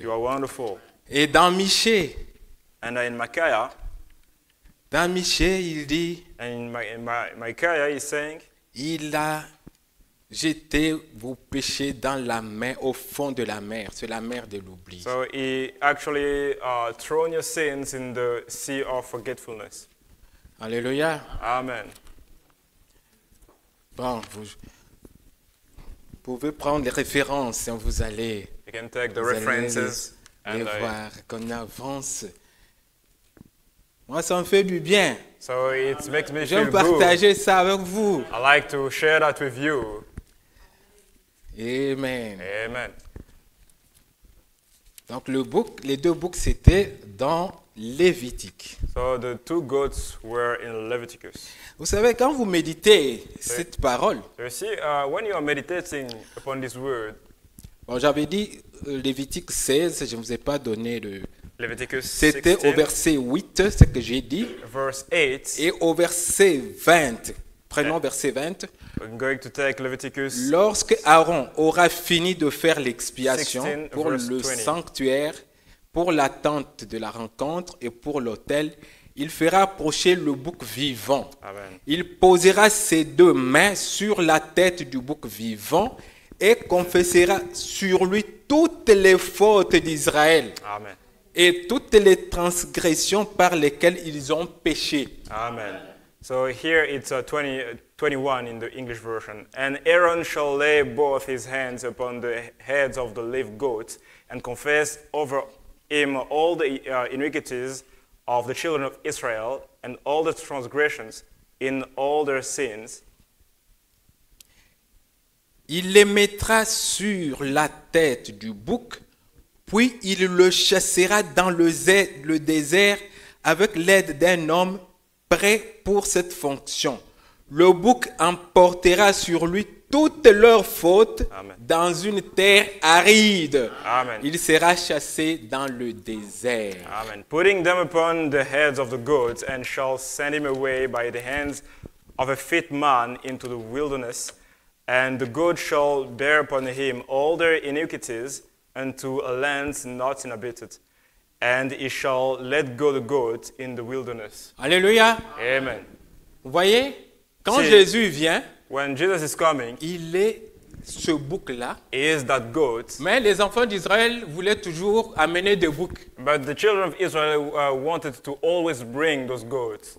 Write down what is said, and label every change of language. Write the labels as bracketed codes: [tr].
[en] You are wonderful. [fr] Et dans Michée, [en] and in Micaiah, [fr] dans Michée, il dit, [en] and in Micaiah, he's saying, [fr] il a jeté vos péchés dans la mer, au fond de la mer, c'est la mer de l'oubli. [en] So he actually thrown your sins in the sea of forgetfulness. [fr] Alléluia. [en] Amen. [fr] Bon, vous pouvez prendre les références et vous allez, [en] you can take the references [fr] allez les voir qu'on avance. Moi, ça me fait du bien. [en] So it makes me [fr] j'aime partager ça avec vous. [en] I like to share that with you. [fr] Amen. [en] Amen. [fr] Donc le bouc, les deux boucs c'était dans Lévitique. [en] So the two goats were in Leviticus. [fr] Vous savez, quand vous méditez cette parole. [en] You see, when you are meditating upon this word. [fr] Bon, j'avais dit Lévitique 16, je ne vous ai pas donné le. [en] Leviticus 16. [fr] C'était au verset 8, ce que j'ai dit. [en] Verse 8. [fr] Et au verset 20. Prenons verset 20. [en] I'm going to take Leviticus. [fr] Lorsque Aaron aura fini de faire l'expiation pour le sanctuaire, pour la tente de la rencontre et pour l'autel, il fera approcher le bouc vivant. [en] Amen. [fr] Il posera ses deux mains sur la tête du bouc vivant et confessera sur lui toutes les fautes d'Israël. [en] Amen. [fr] Et toutes les transgressions par lesquelles ils ont péché. [en] Amen. So here it's 21 in the English version. And Aaron shall lay both his hands upon the heads of the live goats and confess over him all the iniquities of the children of Israel and all the transgressions in all their sins. [fr] Il les mettra sur la tête du bouc, puis il le chassera dans le désert avec l'aide d'un homme prêt pour cette fonction. Le bouc emportera sur lui toutes leurs fautes. [en] Amen. [fr] Dans une terre aride. [en] Amen. [fr] Il sera chassé dans le désert. [en] Amen. Putting them upon the heads of the goats and shall send him away by the hands of a fit man into the wilderness. And the goat shall bear upon him all their iniquities unto a land not inhabited. And he shall let go the goat in the wilderness. [fr] Alléluia. [en] Amen. [fr] Vous voyez, quand Jésus vient, [en] when Jesus is coming, [fr] il est ce bouc-là. [en] He is that goat. [fr] Mais les enfants d'Israël voulaient toujours amener des boucs. [en] But the children of Israel wanted to always bring those goats.